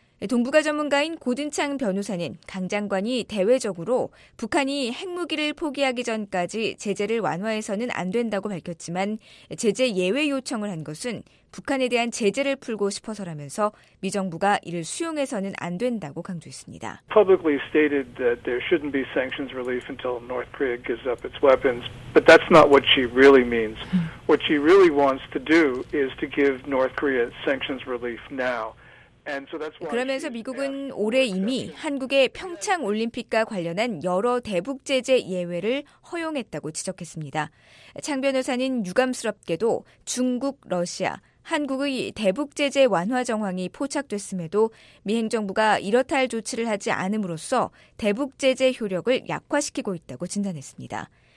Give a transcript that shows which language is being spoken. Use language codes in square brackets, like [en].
[ko] 동북아 전문가인 고든창 변호사는 강 장관이 대외적으로 북한이 핵무기를 포기하기 전까지 제재를 완화해서는 안 된다고 밝혔지만 제재 예외 요청을 한 것은 북한에 대한 제재를 풀고 싶어서라면서 미 정부가 이를 수용해서는 안 된다고 강조했습니다. [en] Publicly stated that there shouldn't be sanctions relief until North Korea gives up its weapons, but that's not what she really means. What she really wants to do is to give North Korea sanctions relief now. [ko] 그러면서 미국은 올해 이미 한국의 평창올림픽과 관련한 여러 대북 제재 예외를 허용했다고 지적했습니다. 창 변호사는 유감스럽게도 중국, 러시아, 한국의 대북 제재 완화 정황이 포착됐음에도 미 행정부가 이렇다 할 조치를 하지 않음으로써 대북 제재 효력을 약화시키고 있다고 진단했습니다.